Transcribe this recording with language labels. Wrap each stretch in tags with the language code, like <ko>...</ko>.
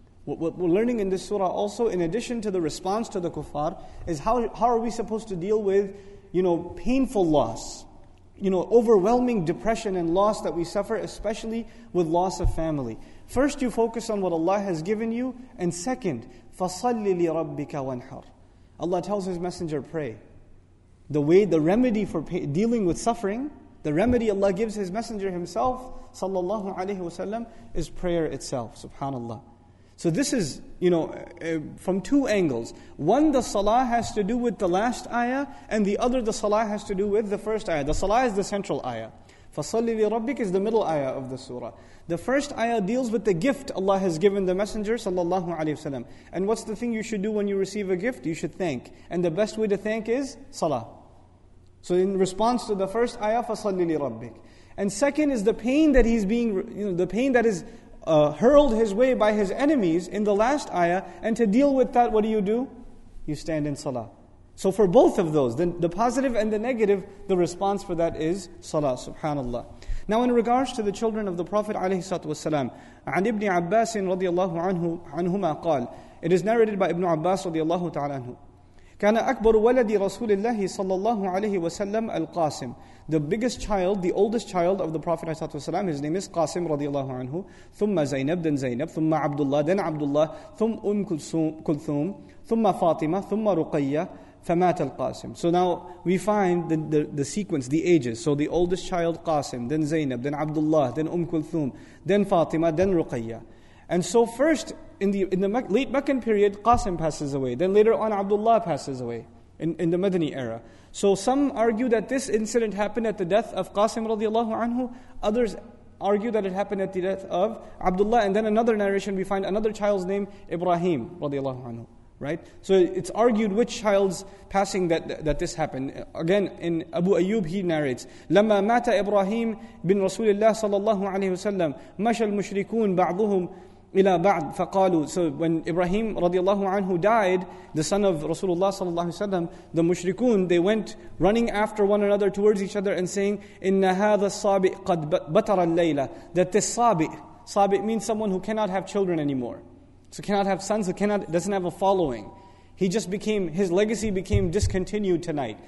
<en>What we're learning in this surah also, in addition to the response to the kuffar, is how are we supposed to deal with, you know, painful loss? You know, overwhelming depression and loss that we suffer, especially with loss of family. First, you focus on what Allah has given you. And second,</en> <ar>فَصَلِّ لِرَبِّكَ وَانْحَرْ.</ar> <en>Allah tells His Messenger, pray. The remedy for dealing with suffering, the remedy Allah gives His Messenger Himself, sallallahu alayhi wasallam, is prayer itself, subhanallah. So this is, you know, from two angles. One, the salah has to do with the last ayah, and the other, the salah has to do with the first ayah. The salah is the central ayah.</en> <ar>فَصَلِّ لِرَبِّكَ</ar> <en>is the middle ayah of the surah. The first ayah deals with the gift Allah has given the Messenger sallallahu alayhi wasallam. And what's the thing you should do when you receive a gift? You should thank. And the best way to thank is salah. So in response to the first ayah,</en> <ar>فَصَلِّ لِرَبِّكَ.</ar> <en>And second is the pain that he's being, you know, the pain that is hurled his way by his enemies in the last ayah. And to deal with that, what do? You stand in salah. So for both of those, the positive and the negative, the response for that is salah, subhanallah. Now in regards to the children of the Prophet</en> <ar>عليه الصلاة والسلام, عن ابن عباس رضي الله عنهما قال,</ar> <en>it is narrated by Ibn Abbas</en> <ar>رضي الله تعالى عنه, كان أكبر ولدي رسول الله صلى الله عليه وسلم القاسم.</ar> <en>The biggest child, the oldest child of the Prophet</en> <ar>عليه الصلاة والسلام,</ar> <en>his name is</en> <ar>قاسم رضي الله عنه, ثم زينب, then زينب, ثم عبد الله, then عبد الله, ثم أم كلثوم, ثم فاطمة, ثم رقية, فَمَاتَ الْقَاسِمُ.</ar> <en>So now we find the sequence, the ages. So the oldest child, Qasim, then Zainab, then Abdullah, then Kulthum, then Fatima, then Ruqayya. And so first, in the late Meccan period, Qasim passes away. Then later on, Abdullah passes away in the Madani era. So some argue that this incident happened at the death of Qasim radiallahu anhu. Others argue that it happened at the death of Abdullah. And then another narration, we find another child's name, Ibrahim radiallahu anhu. Right, so it's argued which child's passing that this happened. Again, in Abu Ayyub, he narrates,</en> <ar>لَمَّا مَاتَ إِبْرَاهِيمُ بِنْ رَسُولِ اللَّهِ صَلَى اللَّهُ عَلَيْهِ وَسَلَّمْ مَشَى الْمُشْرِكُونَ بَعْضُهُمْ إِلَىٰ بَعْضٍ فَقَالُوا.</ar> <en>So when Ibrahim radiallahu anhu died, the son of Rasulullah sallallahu alayhi wasallam, the mushrikun, they went running after one another towards each other and saying,</en> <ar>إِنَّ هَذَا الصَّابِئ قَدْ بَطَرَ اللَّيْلَةِ.</ar> <en>That this sabi' means someone who cannot have children anymore. So cannot have sons, doesn't have a following. He just became, his legacy became discontinued tonight.</en>